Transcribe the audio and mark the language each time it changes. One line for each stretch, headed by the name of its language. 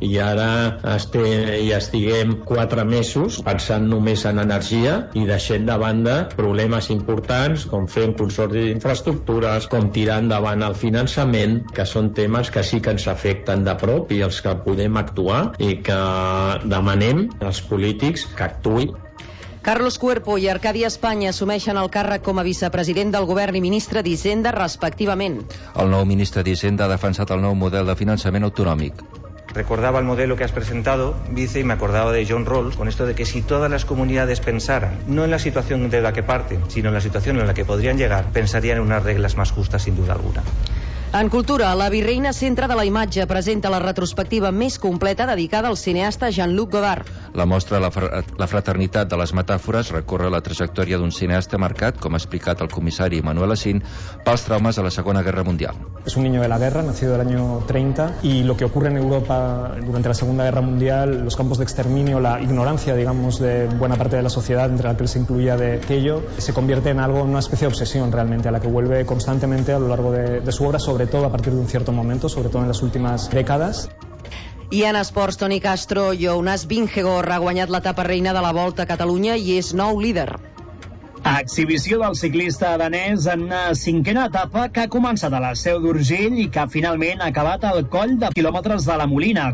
Catalan: I ara estiguem 4 mesos pensant només en energia i deixant de banda problemes importants, com fer un consorci d'infraestructures, com tirar endavant el finançament, que són temes que sí que ens afecten de prop i els que podem actuar i que demanem als polítics que actuïn. Carlos Cuerpo i Arcadi Espanya assumeixen el càrrec com a vicepresident del govern i ministre d'Hisenda, respectivament. El nou ministre d'Hisenda ha defensat el nou model de finançament autonòmic.
Spanish: Recordaba el modelo que has presentado, vice, y me acordaba de John Rawls, con esto de que si todas las comunidades pensaran, no en la situación de la que parten, sino en la situación en la que podrían llegar, pensarían en unas reglas más justas, sin duda alguna.
Catalan: En cultura, la Virreina Centre de la Imatge presenta la retrospectiva més completa dedicada al cineasta Jean-Luc Godard. La mostra La fraternitat de les metàfores recorre la trajectòria d'un cineasta marcat, com ha explicat el comissari Manuel Asín, pels traumes de la Segona Guerra Mundial.
Spanish: Es un niño de la guerra, nacido del año 30, y lo que ocurre en Europa durante la Segunda Guerra Mundial, los campos de exterminio, la ignorancia, digamos, de buena parte de la sociedad, entre la que él se incluía de aquello, se convierte en algo, en una especie de obsesión realmente, a la que vuelve constantemente a lo largo de su obra, sobre todo a partir de un cierto momento, sobre todo en las últimas décadas.
Catalan: I en esports, Toni Castro, Jonas Vingegaard ha guanyat l'etapa reina de la Volta a Catalunya i és nou líder. Exhibició del ciclista danès en una cinquena etapa que ha començat a la Seu d'Urgell i que finalment ha acabat al coll de quilòmetres de la Molina.